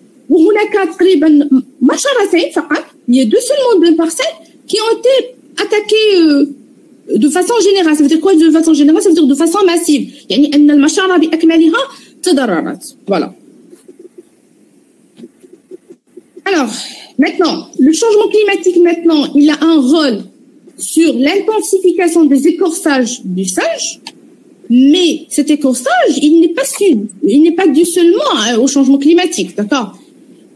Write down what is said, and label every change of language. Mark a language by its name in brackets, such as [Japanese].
[Arabic] وهناك تقريبا مشارتين فقط. [French] Il y a deux seulement deux parcelles qui ont été attaquer de façon générale. Ça veut dire quoi de façon générale? Ça veut dire de façon massive. [Arabic] يعني أن المشارة بأكملها تضررت. Voilà. [French] Alors, maintenant, le changement climatique, maintenant, il a un rôle sur l'intensification des écorçages du sage, mais cet écorçage, il n'est pas dû, seulement au changement climatique, d'accord ?